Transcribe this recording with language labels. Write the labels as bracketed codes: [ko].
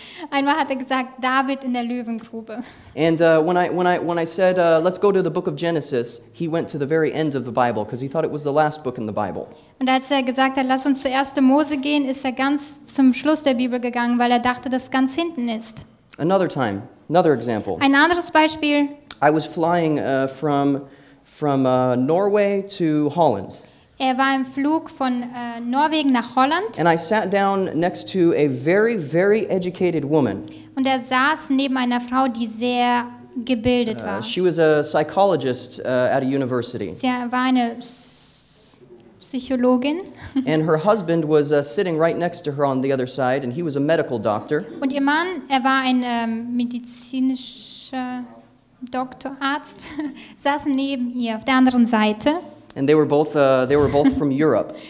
[de] Einmal hat er gesagt, David in der Löwengrube. [en] And when I said let's go to the book of Genesis, he went to the very end of the Bible because he thought it was the last book in the Bible. [de] Und als er gesagt hat, lass uns zu 1. Mose gehen, ist er ganz zum Schluss der Bibel gegangen, weil er dachte, dass ganz hinten ist. [en] Another time, another example. [de] Ein anderes Beispiel. [en] I was flying from Norway to Holland. [de] Er war im Flug von Norwegen nach Holland. [en] And I sat down next to a very, very educated woman. [de] Und er saß neben einer Frau, die sehr gebildet war. [en] She was a psychologist at a university. [de] Sie war eine Psychologin. [en] And her husband was sitting right next to her on the other side, and he was a medical doctor. [de] Und ihr Mann, er war ein medizinischer Doktorarzt, saß neben ihr auf der anderen Seite. [en] And they were both from Europe.